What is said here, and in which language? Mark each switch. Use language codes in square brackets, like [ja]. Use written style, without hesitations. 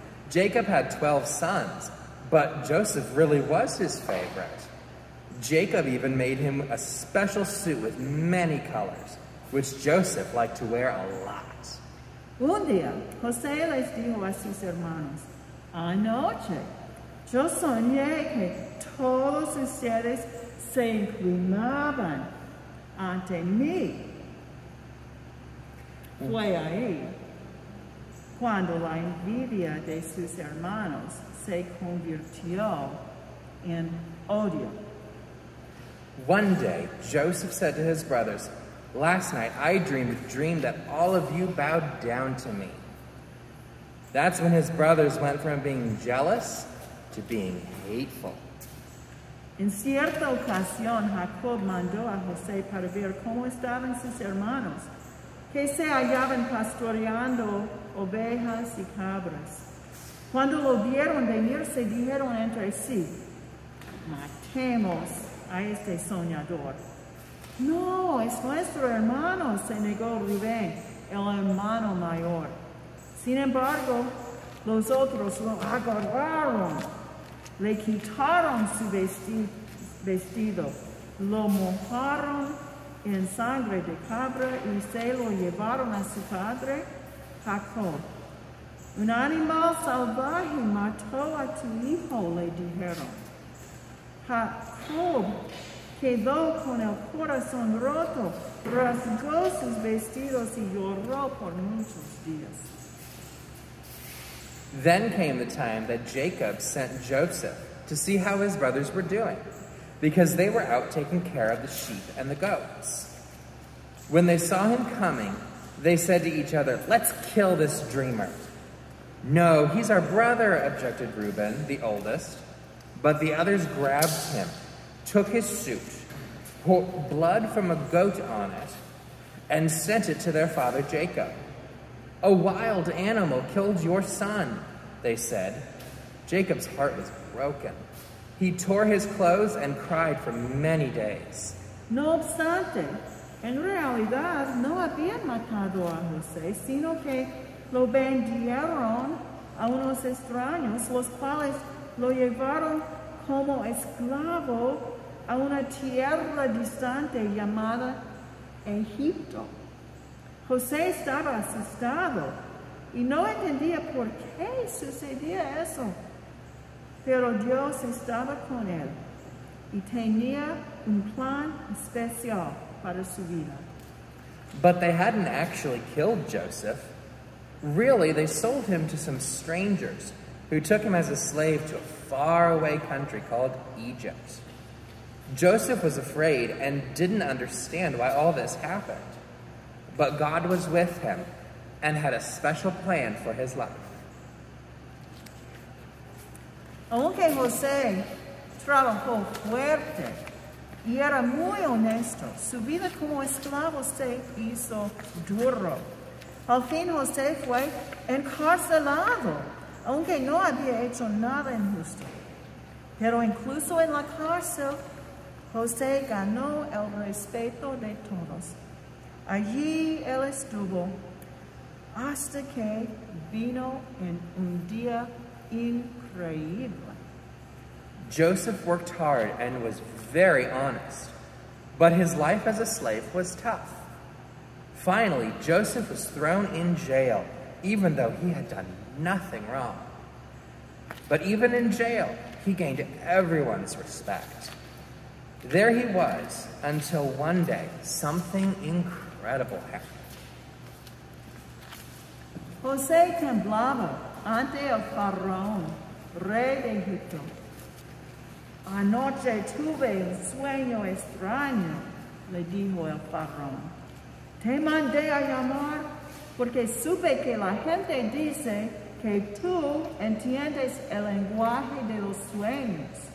[en] Jacob had 12 sons, but Joseph really was his favorite. Jacob even made him a special suit with many colors, which Joseph liked to wear a lot. [es] Un día, José les dijo a sus hermanos, anoche, yo soñé que todos ustedes se inclinaban ante mí. Fue ahí cuando la envidia de sus hermanos se convirtió en odio. [en] One day, Joseph said to his brothers, last night, I dreamed a dream that all of you bowed down to me. That's when his brothers went from being jealous to being hateful. [es] En cierta ocasión, Jacob mandó a José para ver cómo estaban sus hermanos, que se hallaban pastoreando ovejas y cabras. Cuando lo vieron venir, se dijeron entre sí, matemos a este soñador. No, es nuestro hermano, se negó Rubén, el hermano mayor. Sin embargo, los otros lo agarraron, le quitaron su vestido, lo mojaron en sangre de cabra y se lo llevaron a su padre, Jacob. Un animal salvaje mató a tu hijo, le dijeron. Jacob quedó con el corazón roto, rasgó sus vestidos y lloró por muchos días. [en] Then came the time that Jacob sent Joseph to see how his brothers were doing, because they were out taking care of the sheep and the goats. When they saw him coming, they said to each other, let's kill this dreamer. No, he's our brother, objected Reuben, the oldest. But the others grabbed him, took his suit, poured blood from a goat on it, and sent it to their father Jacob. A wild animal killed your son, they said. Jacob's heart was broken. He tore his clothes and cried for many days. [es] No obstante, en realidad no habían matado a José, sino que lo vendieron a unos extraños, los cuales lo llevaron como esclavo a una tierra distante llamada Egipto. José estaba asustado y no entendía por qué sucedía eso. Pero Dios estaba con él y tenía un plan especial para su vida. [en] But they hadn't actually killed Joseph. Really, they sold him to some strangers who took him as a slave to a faraway country called Egypt. Joseph was afraid and didn't understand why all this happened. But God was with him and had a special plan for his life. [es] Aunque José trabajó fuerte y era muy honesto. Su vida como esclavo se hizo duro. Al fin José fue encarcelado, aunque no había hecho nada injusto. Pero incluso en la cárcel, José ganó el respeto de todos. Allí él estuvo hasta que vino en un día increíble. [en] Joseph worked hard and was very honest, but his life as a slave was tough. Finally, Joseph was thrown in jail, even though he had done nothing wrong. But even in jail, he gained everyone's respect. There he was until one day something incredible happened. [es] José temblaba ante el faraón, rey de Egipto. Anoche tuve un sueño extraño, le dijo el faraón. Te mandé a llamar porque supe que la gente dice que tú entiendes el lenguaje de los sueños.